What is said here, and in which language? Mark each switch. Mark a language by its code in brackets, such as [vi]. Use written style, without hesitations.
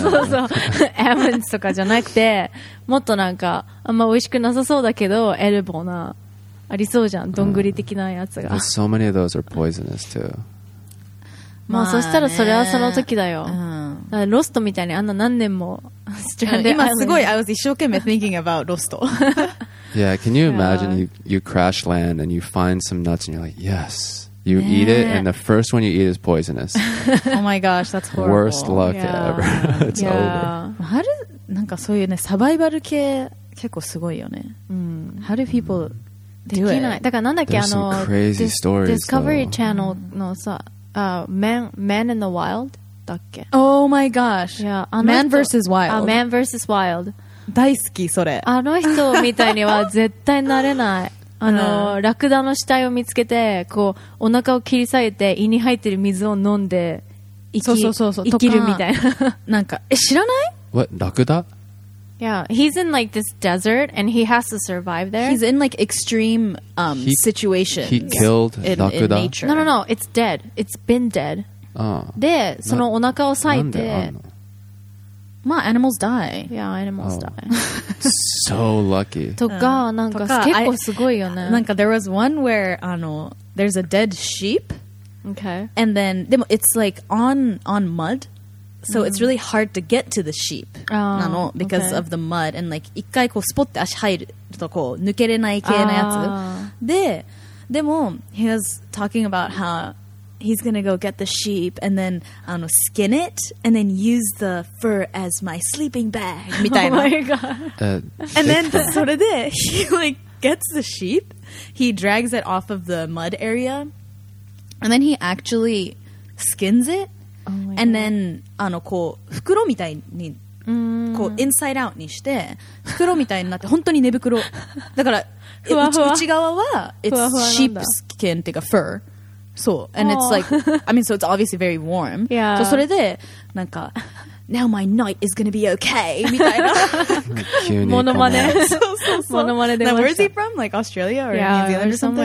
[ja] そうそう、almonds とかじゃなくて、もっとなんかあんま美味しくなさそうだけどエルボーなありそうじゃん、どんぐり的なやつが。 [en] So many of those are poisonous too. [ja] まあそしたらそれはその時だよ。だからロストみたいにあんな何年も今すごい [en] I was [ja] 一生懸命 [en] thinking about ロスト。 Yeah, can you imagine you crash land and you find some nuts and you're like, yes. You eat it and the first one you eat is poisonous. Oh my gosh, that's horrible. Worst luck ever. It's over. How do, [ja] なんかそういうね、サバイバル系結構すごいよね。 [en] How do people do it? [ja] だからなんだっけ、 [en] There's some crazy stories, [ja] Discovery Channel のさ、Man in the Wild だっけ。 [en] Oh my gosh. Yeah, Man vs. Wild. Man vs. Wild. [ja] 大好きそれ。あの人みたいには絶対なれない。ラクダの死体を見つけて、こうお腹を切り裂いて胃に入ってる水を飲んで生きるみたいな。なんか知らない？ [en] What ラクダ？ Yeah, he's in like this desert and he has to survive there. He's in like extreme situations. He killed ラクダ。 No, it's dead. It's been dead. [ja] でそのお腹を裂いて。まあ、 [en] animals die. Yeah, animals die. So lucky. [ja] とか、なんか、結構すごいよね。 [en] なんか、there was one where, there's a dead sheep. Okay. And then, [ja] でも、 [en] it's like on mud. So, it's really hard to get to the sheep. [ja] なの、 [en] because of the mud. And like, [ja] 一回こう、スポッて足入ると、こう、抜けれない系のやつ。でも、 [en] he was talking about how,He's gonna go get the sheep and then skin it and then use the fur as my sleeping bag. Oh my god. And then, so he like gets the sheep, he drags it off of the mud area, and then he actually skins it. Oh my god. And then, [ja] こう袋みたいに。こうインサイドアウトにして袋みたいになって本当に寝袋。だから内側は [en] it's sheep skin [ja] っていうか fur. [en] So, and it's like, I mean, so it's obviously very warm. Yeah. So, [ja] それで、なんか、 [en] now my night is gonna be okay, [ja] みたいな。モノマネ。モノマネでした。 [en] Where is he from? Like Australia or yeah, New Zealand or something?